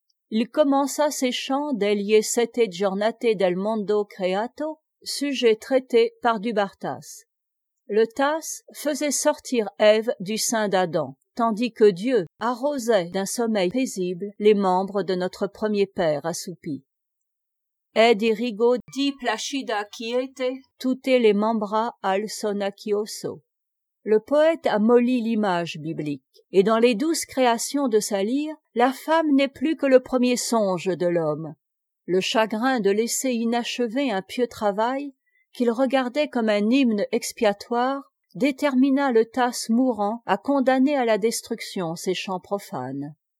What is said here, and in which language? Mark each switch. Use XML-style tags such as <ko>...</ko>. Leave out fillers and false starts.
<fr>Il commença ses chants d'</fr> <it>Elie sette giornate del mondo creato,</it> <fr>sujet traité par du Bartas. Le Tasse faisait sortir Ève du sein d'Adam, tandis que Dieu arrosait d'un sommeil paisible les membres de notre premier père assoupi.</fr> <it>Ed irrigo di placida quiete, tutte le membra al sonacchioso.</it> <fr>Le poète amollit l'image biblique, et dans les douces créations de sa lyre, la femme n'est plus que le premier songe de l'homme. Le chagrin de laisser inachevé un pieux travail, qu'il regardait comme un hymne expiatoire, détermina le Tasse mourant à condamner à la destruction ses chants profanes.</fr>